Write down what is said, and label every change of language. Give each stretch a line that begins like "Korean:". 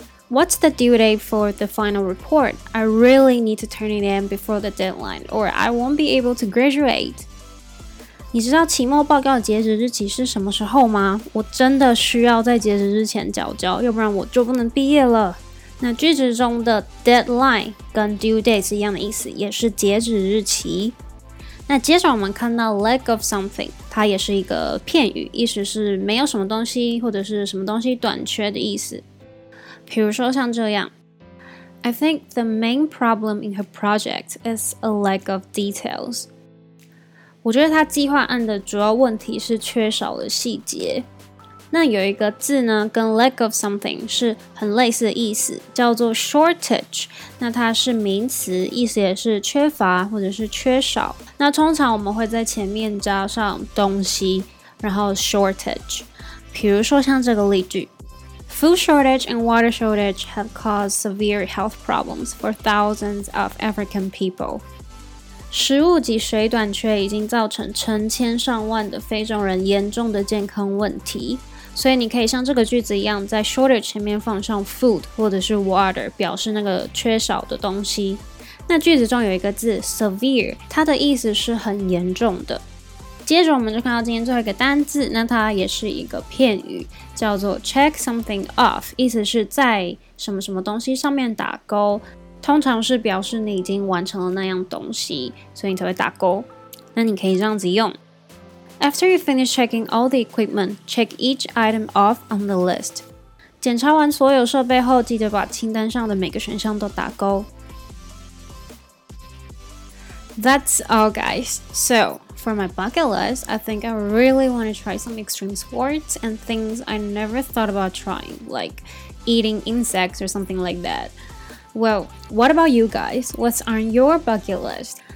English: What's the due date for the final report? I really need to turn it in before the deadline or I won't be able to graduate.
Chinese: 你知道期末报告截止日期是什么时候吗？我真的需要在截止之前交交，要不然我就不能毕业了。那句子中的 deadline 跟 due date 是一样的意思，也是截止日期。那接着我们看到 lack of something， 它也是一个片语，意思是没有什么东西或者是什么东西短缺的意思。比如说像这样，
English: I think the main problem in her project is a lack of details.
Chinese: 我觉得他计划案的主要问题是缺少了细节。那有一个字呢，跟 lack of something 是很类似的意思，叫做 shortage。那它是名词，意思也是缺乏或者是缺少。那通常我们会在前面加上东西，然后 shortage。比如说像这个例句
English: Food shortage and water shortage have caused severe health problems for thousands of African people.
Chinese: 食物及水短缺已经造成成千上万的非洲人严重的健康问题。所以你可以像这个句子一样，在 shortage 前面放上 food 或者是 water， 表示那个缺少的东西。那句子中有一个字 severe， 它的意思是很严重的。接着我们就看到今天最后一个单字，那它也是一个片语，叫做 check something off， 意思是在什么什么东西上面打勾，通常是表示你已经完成了那样东西，所以你才会打勾。那你可以这样子用。
English: After you finish checking all the equipment, check each item off on the list.
Chinese: 检查完所有设备后，记得把清单上的每个选项都打勾。
English: That's all, guys. So, for my bucket list, I think I really want to try some extreme sports and things I never thought about trying, like eating insects or something like that. Well, what about you guys? What's on your bucket list?